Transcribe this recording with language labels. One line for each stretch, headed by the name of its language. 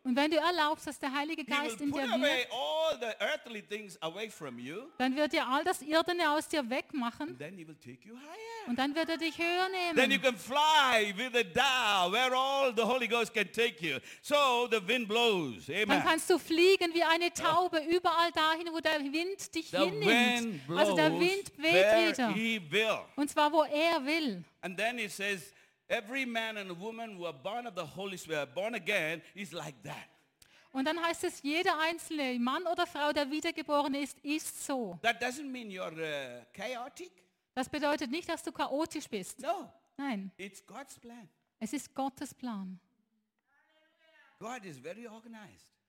German: und wenn du erlaubst, dass der Heilige Geist in dir wirkt,
English: all the earthly things away from you,
German: dann wird er all das Irdene aus dir wegmachen.
English: And then he will take you higher.
German: Und dann wird er dich höher nehmen.
English: Then you can fly with the dove where all the Holy Ghost can take you. So the wind blows. Amen.
German: Dann kannst du fliegen wie eine Taube überall dahin, wo der Wind dich
English: the
German: hinnimmt.
English: Wind blows,
German: also der Wind weht
English: where
German: wieder.
English: He will.
German: Und zwar wo er will.
English: And then he says, every man and woman who are born of the Holy Spirit, born again, is like that.
German: Und dann heißt es, jeder einzelne Mann oder Frau, der wiedergeboren ist, ist so.
English: That doesn't mean you're chaotic.
German: Das bedeutet nicht, dass du chaotisch bist.
English: No.
German: Nein.
English: It's God's plan.
German: Es ist Gottes Plan.
English: God is very organized.